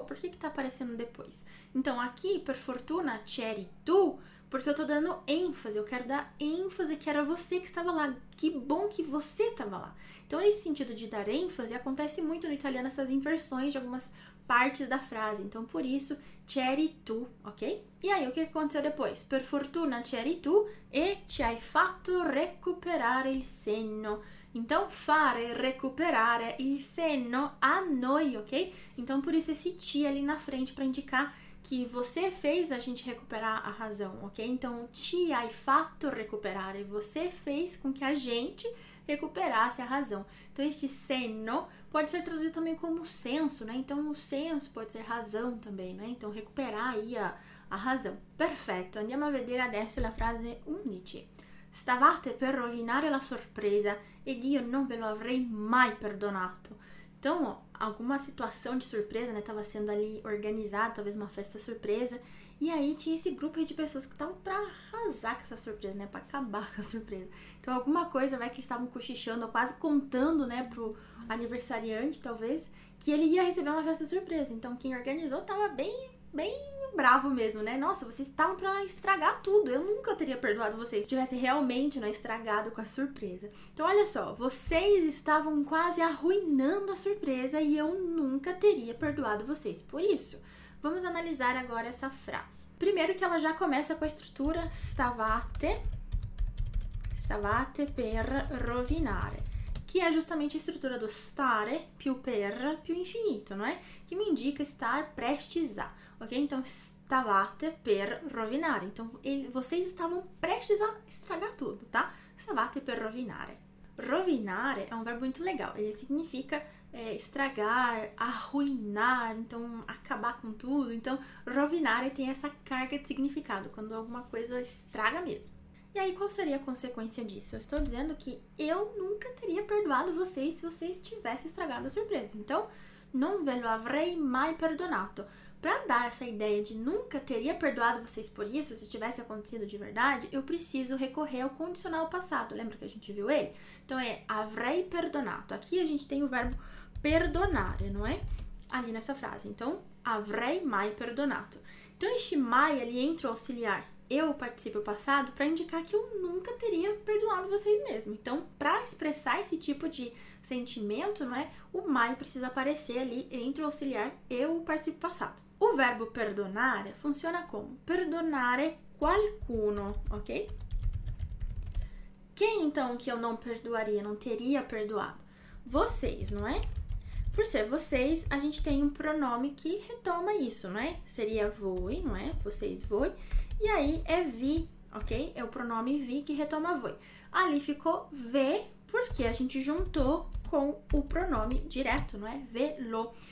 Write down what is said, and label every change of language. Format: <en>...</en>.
<pt>Por que que tá aparecendo depois? Então, aqui,</pt> <it>per fortuna, c'eri tu,</it> <pt>porque eu tô dando ênfase. Eu quero dar ênfase que era você que estava lá. Que bom que você estava lá. Então, nesse sentido de dar ênfase, acontece muito no italiano essas inversões de algumas partes da frase. Então, por isso,</pt> <it>c'eri tu,</it> <pt>ok? E aí, o que aconteceu depois?</pt> <it>Per fortuna c'eri tu e ci hai fatto recuperare il senno.</it> <pt>Então,</pt> <it>fare recuperare il senno a noi, ok?</it> <pt>Então, por isso, esse ti ali na frente para indicar que você fez a gente recuperar a razão, ok? Então,</pt> <it>ti hai fatto recuperare.</it> <pt>Você fez com que a gente recuperasse a razão. Então, este senno pode ser traduzido também como senso, né? Então, o senso pode ser razão também, né? Então, recuperar aí a razão. Perfeito.</pt> <it>Andiamo a vedere adesso la frase 11. Stavate per rovinare la sorpresa ed io non ve lo avrei mai perdonato.</it> <pt>Então, ó, alguma situação de surpresa, né? Tava sendo ali organizada, talvez uma festa surpresa. E aí tinha esse grupo aí de pessoas que estavam pra arrasar com essa surpresa, né? Pra acabar com a surpresa. Então, alguma coisa, vai, que eles estavam cochichando, quase contando, né? Pro aniversariante, talvez, que ele ia receber uma festa surpresa. Então, quem organizou tava bem bravo mesmo, né? Nossa, vocês estavam pra estragar tudo. Eu nunca teria perdoado vocês se tivesse realmente, né, estragado com a surpresa. Então, olha só, vocês estavam quase arruinando a surpresa e eu nunca teria perdoado vocês. Por isso, vamos analisar agora essa frase. Primeiro que ela já começa com a estrutura</pt> <it>stavate per rovinare,</it> <pt>que é justamente a estrutura do stare più per più infinito, não é? Que me indica estar prestes a. Ok? Então,</pt> <it>stavate per rovinare.</it> <pt>Então, vocês estavam prestes a estragar tudo, tá?</pt> <it>Stavate per rovinare.</it> <pt>Rovinare é um verbo muito legal. Ele significa estragar, arruinar, então, acabar com tudo. Então, rovinare tem essa carga de significado, quando alguma coisa estraga mesmo. E aí, qual seria a consequência disso? Eu estou dizendo que eu nunca teria perdoado vocês se vocês tivessem estragado a surpresa. Então,</pt> <it>non ve lo avrei mai perdonato.</it> <pt>Para dar essa ideia de nunca teria perdoado vocês por isso, se tivesse acontecido de verdade, eu preciso recorrer ao condicional passado. Lembra que a gente viu ele? Então, é</pt> <it>avrei perdonato.</it> <pt>Aqui a gente tem o verbo perdonare, não é? Ali nessa frase. Então,</pt> <it>avrei mai perdonato.</it> <pt>Então, este mai ali entra o auxiliar eu, participio passado, para indicar que eu nunca teria perdoado vocês mesmo. Então, para expressar esse tipo de sentimento, não é, o mai precisa aparecer ali entre o auxiliar eu, participio passado.</pt> <it>Un verbo perdonare funziona con perdonare qualcuno, ok?</it> <pt>Quem então que eu não perdoaria, não teria perdoado? Vocês, não é? Por ser vocês, a gente tem um pronome que retoma isso, não é? Seria voi, não é? Vocês, voi. E aí é vi, ok? É o pronome vi que retoma voi. Ali ficou ve, porque a gente juntou com o pronome direto, não é? Ve lo.</pt>